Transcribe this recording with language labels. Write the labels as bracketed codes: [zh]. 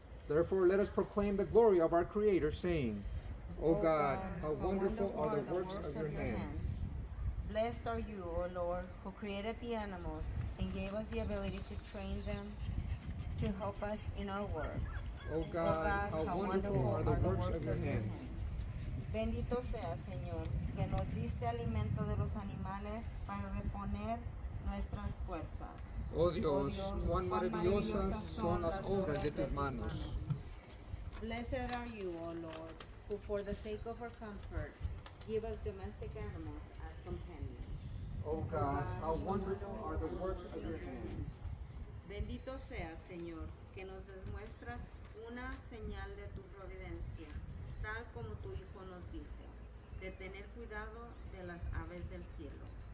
[en] Therefore, let us proclaim the glory of our Creator, saying, O God, how wonderful are the works of your hands. Blessed are you, O Lord, who created the animals and gave us the ability to train them to help us in our work. O God, how wonderful are the works of your hands. [es] Bendito sea, Señor, que nos diste alimento de los animales para reponer nuestras fuerzas. Oh Dios, cuán maravillosas son las obras de tus manos. [en] Blessed are you, O Lord, who for the sake of our comfort give us domestic animals as companions. Oh God, how wonderful are the works of your hands. [es] Bendito sea, Señor, que nos demuestras una señal de tu providencia, tal como tu Hijo nos dice, de tener cuidado de las aves del cielo.